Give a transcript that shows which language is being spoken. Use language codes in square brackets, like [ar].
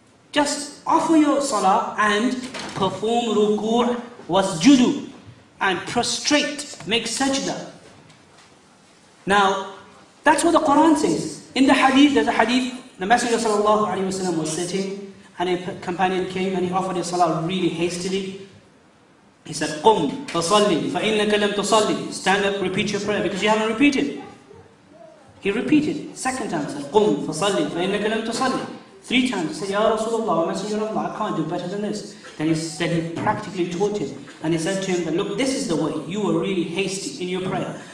[en] Just offer your salah and perform ruku' wasjudu and prostrate, make sajda. Now, that's what the Quran says. In the hadith, there's a hadith, the Messenger sallallahu alayhi wa sallam was sitting and a companion came and he offered his salah really hastily. [ar] He said, قُمْ فَصَلِّ فَإِنَّكَ لَمْ تُصَلِّ. [en] Stand up, repeat your prayer because you haven't repeated. He repeated second time. He said, [ar] قُمْ فَصَلِّ فَإِنَّكَ لَمْ تُصَلِّ. [en] Three times. He said, Ya Rasulullah, Messenger of Allah, I can't do better than this. Then he practically taught him. And he said to him, look, this is the way. You were really hasty in your prayer.